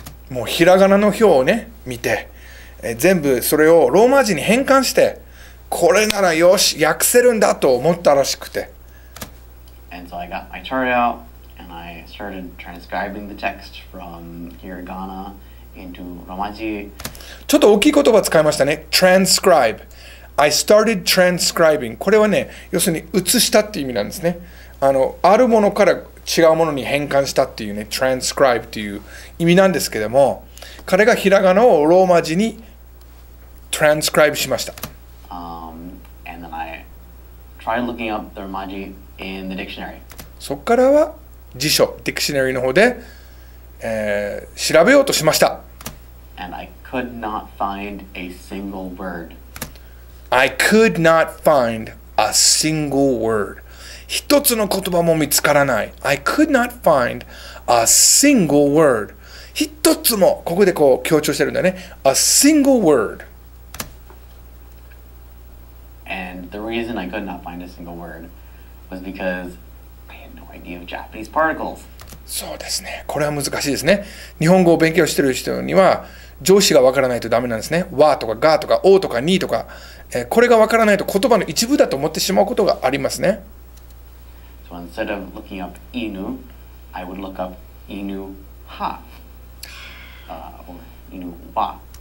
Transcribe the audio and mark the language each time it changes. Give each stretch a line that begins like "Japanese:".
Japanese: もうひらがなの表をね見て、全部それをローマ字に変換して、これならよし訳せるんだと思ったらしくて。
English: And so I got my chart out and I started transcribing the text from hiragana into Romaji.
Japanese: ちょっと大きい言葉使いましたね。
English: Transcribe. I started transcribing.
Japanese: これはね、要するに写したっていう意味なんですね。あるものから違うものに変換したっていうね、transcribe っていう意味なんですけども、彼がひらがなをローマ字に transcribe しました。
English: And then I tried looking up the Romaji in the dictionary.
Japanese: そこからは辞書、dictionary の方で、調べようとしました。
English: And I could not find a single word. I could not find a single word.
Japanese: 一つの言葉も見つからない。
English: I could not find a single word.
Japanese: 一つも、ここでこう強調してるんだね。
English: A single word. And the reason I could not find a single word was because I had no idea of Japanese particles.
Japanese: そうですね。これは難しいですね。日本語を勉強してる人には、上司がわからないとダメなんですね。わとかがとか、おとかにとか。これがわからないと言葉の一部だと思ってしまうことがありますね。
English: So instead of looking up inu, I would look up inu ha, or inu wa.